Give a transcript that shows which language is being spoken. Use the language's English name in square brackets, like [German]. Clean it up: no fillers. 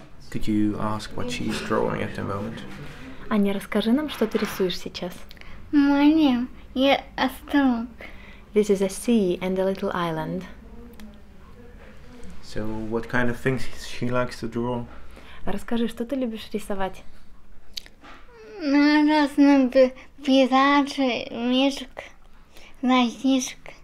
[English] Could you ask what she's drawing at the moment? [Russian] Annya, расскажи нам, что ты рисуешь сейчас. [English] This is a sea and a little island. So what kind of things she likes to draw? [Russian] Расскажи, что ты любишь рисовать? На разные пейзажи, мишек, лосишек.